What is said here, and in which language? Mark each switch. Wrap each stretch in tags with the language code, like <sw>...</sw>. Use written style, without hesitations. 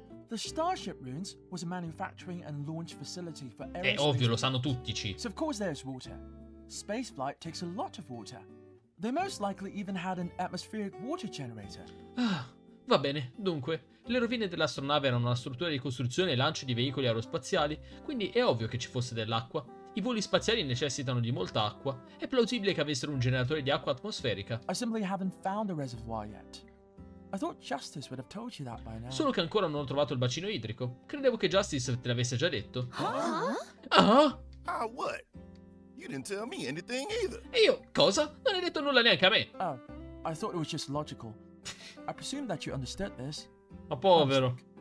<en>The Starship Ruins was a manufacturing and launch facility for aerospace.</en> <it>È ovvio, lo sanno tutti, ci.</it> <en>So of course there's water. Space flight takes a lot of water. They most likely even had an atmospheric water generator.</en> <it>Ah, va bene, dunque, le rovine dell'astronave erano una struttura di costruzione e lancio di veicoli aerospaziali, quindi è ovvio che ci fosse dell'acqua. I voli spaziali necessitano di molta acqua. È plausibile che avessero un generatore di acqua atmosferica.</it> <en>I simply haven't found a reservoir yet. I thought Justice would have told you that by now.</en> <it>Solo che ancora non ho trovato il bacino idrico. Credevo che Justice te l'avesse già detto.</it> <en>Ah, what? You didn't tell me anything either.</en> <it>E io, cosa? Non hai detto nulla neanche a me.</it> <en>Oh, I thought it was just logical. I presume that you understood this.</en> <it>Ma povero.</it>